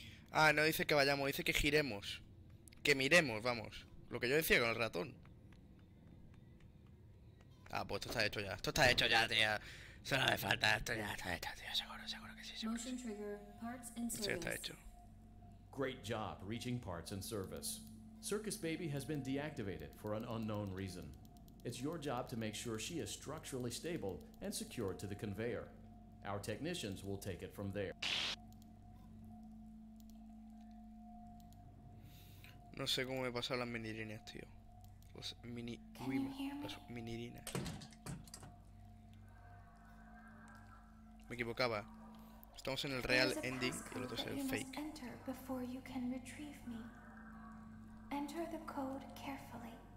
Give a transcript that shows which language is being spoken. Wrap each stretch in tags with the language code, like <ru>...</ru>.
<es>Ah, no dice que vayamos, dice que giremos, que miremos, vamos. Lo que yo decía con el ratón. Ah, pues esto está hecho ya. Esto está hecho ya, tío. Solo me falta esto ya. Está hecho, tío. Seguro, seguro que sí, seguro que sí. Sí, está hecho.</es> <en>Great job reaching parts and service. Circus Baby has been deactivated for an unknown reason. It's your job to make sure she is structurally stable and secured to the conveyor. Our technicians will take it from there.</en> <es>No sé cómo me he pasado las minirinas, tío. Las mini. Uy, las minirinas. Me equivocaba. Estamos en el real ending y el otro es el fake.</es> <en>Enter before you can retrieve me. Enter the code carefully.</en>